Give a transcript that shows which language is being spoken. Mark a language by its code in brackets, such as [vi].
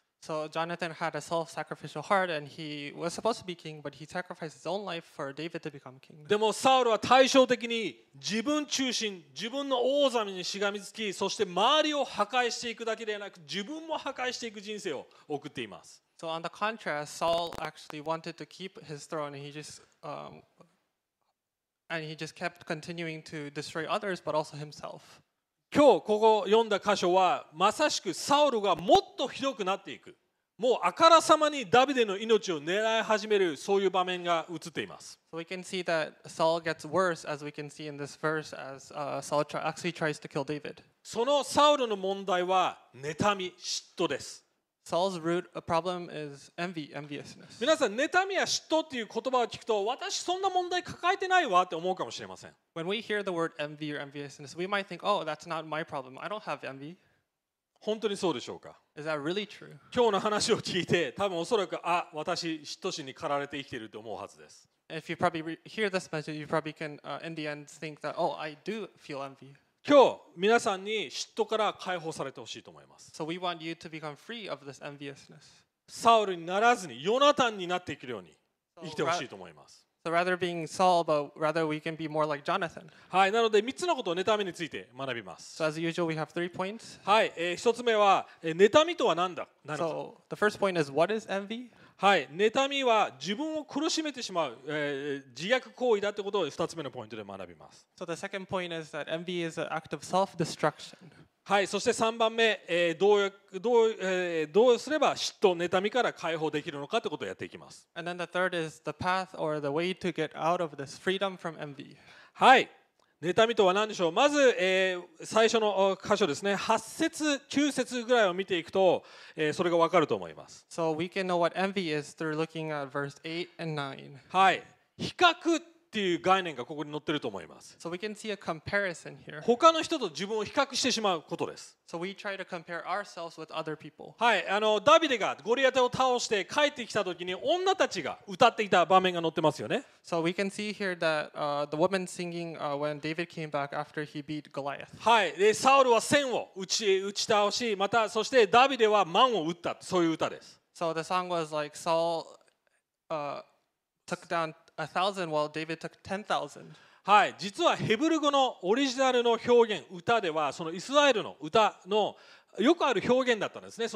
[en] So Jonathan had a self-sacrificial heart and he was supposed to be king, but he sacrificed his own life for David to become king. [ja] でもサウルは対照的に自分中心、自分の王座にしがみつき、そして周りを破壊していくだけではなく自分も破壊していく人生を送っています。 [en] So on the contrast, Saul actually wanted to keep his throne, and he just kept continuing to destroy others, but also himself. [ja] 今日ここ読んだ箇所はまさしくサウルがもっとひどくなっていく、もうあからさまにダビデの命を狙い始める、そういう場面が映っています。 [en] So we can see that Saul gets worse, as we can see in this verse, as Saul actually tries to kill David. [ja] そのサウルの問題は妬み、嫉妬です。 [en] Saul's root problem is envy, enviousness. [ja] 皆さん、妬みや嫉妬っていう言葉を聞くと、私そんな問題抱えてないわって思うかもしれません。 [en] When we hear the word envy or enviousness, we might think, oh, that's not my problem. I don't have envy. [ja] 本当にそうでしょうか? [en] Is that really true? [ja] 今日の話を聞いて、多分おそらく、私嫉妬心に駆られて生きてると思うはずです。 [en] If you probably hear this message, you probably can, in the end, think that, oh, I do feel envy. [ja] 今日皆さんに嫉妬から解放されてほしいと思います。 [en] So we want you to become free of this enviousness. [ja] サウルにならずにヨナタンになっていけるように生きてほしいと思います。 [en] So rather being Saul, but rather we can be more like Jonathan. [ja] はい、なので3つのことを妬みについて学びます。 [en] So as usual, we have three points. [ja] はい、1つ目は妬みとは何だ。 [en] So the first point is what is envy? [ja] はい、妬みは自分を苦しめてしまう、自虐行為だってことを2つ目のポイントで学びます。 [en] So the second point is that envy is an act of self-destruction. [ja] はい、そして3番目、どうすれば嫉妬、妬みから解放できるのかということをやっていきます。 [en] And then the third is the path or the way to get out of this freedom from envy. [ja] はい、妬みとは何でしょう。まず、最初の箇所ですね、8節、9節ぐらいを見ていくと、それが分かると思います。 [en] So we can know what envy is through looking at verse 8 and 9. [ja] はい、比較っていう概念がここに載ってると思います。 [en] So we can see a comparison here. [ja] 他の人と自分を比較してしまうことです。 [en] So we try to compare ourselves with other people. [ja] はい、ダビデがゴリアテを倒して帰ってきた時に女たちが歌っていた場面が載ってますよね。 [en] So we can see here that the woman singing when David came back after he beat Goliath. [ja] はい、でサウルは千を打ち倒し、またそしてダビデは万を打った、そういう歌です。 [en] So the song was like Saul took down A thousand while David took 10,000. [ja] はい、実はヘブル語のオリジナルの表現、歌ではそのイスラエルの歌のよくある表現だったんですね。